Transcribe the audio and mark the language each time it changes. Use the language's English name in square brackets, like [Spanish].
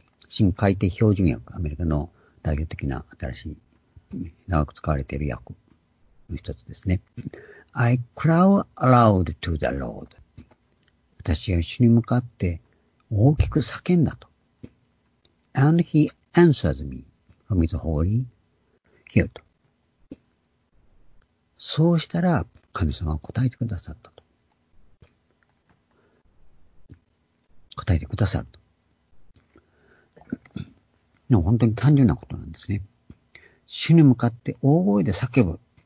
[Japanese] 新改定標準訳、アメリカの代表的な新しい、長く使われている訳、もう一つですね。 [English] I cry aloud to the Lord。 [Japanese] 私は主に向かって大きく叫んだと。 [English] And he answers me from his holy hill と。 [Japanese] そうしたら神様は答えてくださったと。答えてくださると。でも本当に単純なことなんですね。主に向かって大声で叫ぶ。